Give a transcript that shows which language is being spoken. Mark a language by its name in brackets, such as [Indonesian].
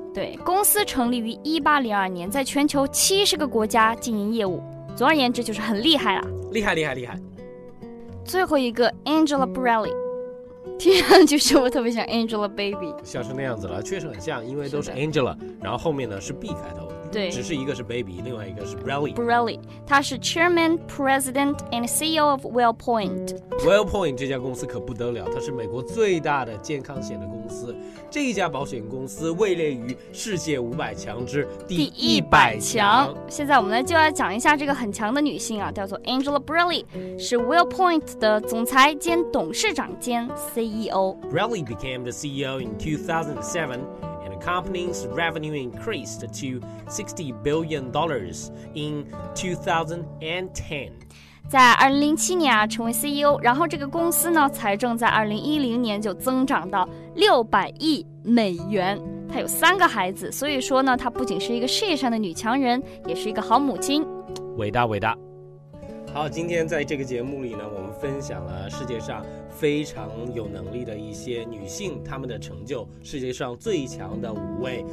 [Chinese] 对，公司成立于1802年，在全球70个国家经营业务，总而言之就是很厉害了，厉害厉害厉害。最后一个 Angela Borelli，听上去是不是特别像 Angela Baby，像是那样子了，确实很像，因为都是 Angela，是，然后后面呢是 B 开头，对，只是一个是 Baby， 另外一个是 Borelli。 [English] Borelli [Chinese] 他是 [English] Chairman, President and CEO of WellPoint。 [Chinese] WellPoint 这家公司可不得了，它是美国最大的健康险的公司，这一家保险公司位列于世界500强之第100强。现在我们呢就要讲一下这个很强的女性啊，叫做 Angela Borelli， 是 WellPoint 的总裁兼董事长兼CEO. [English] Borelli became the CEO in 2007 and the company's revenue increased to $60 billion in 2010. [Chinese] 在2007年、成为 CEO， 然后这个公司呢财政在2010年就增长到600亿美元。她有3个孩子，所以说呢她不仅是一个事业上的女强人，也是一个好母亲，伟大伟大。好，今天在这个节目里呢，我们分享了世界上非常有能力的一些女性，她们的成就，世界上最强的5位